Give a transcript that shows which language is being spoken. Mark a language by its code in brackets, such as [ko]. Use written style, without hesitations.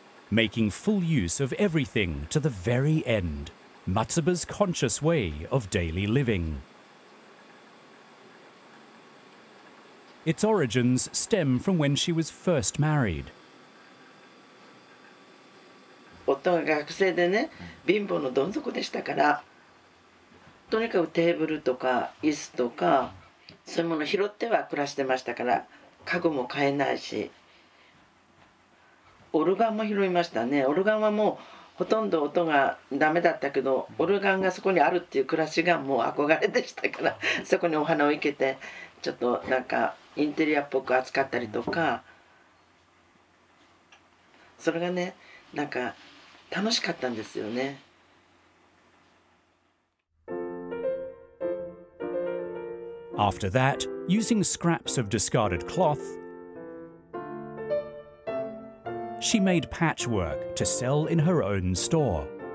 [en] Making full use of everything to the very end. Matsuba's conscious way of daily living. Its origins stem from when she was first married. [ja] 夫が学生でね、貧乏のどん底でしたから、とにかくテーブルとか椅子とか、そういうものを拾っては暮らしてましたから、家具も買えないし、オルガンも拾いましたね。オルガンはもうほとんど音がダメだったけど、オルガンがそこにあるっていう暮らしがもう憧れでしたから、そこにお花を生けてちょっとなんかインテリアっぽく扱ったりとか、それがねなんか楽しかったんですよね。 [en] After that, using scraps of discarded cloth, she made patchwork to sell in her own store.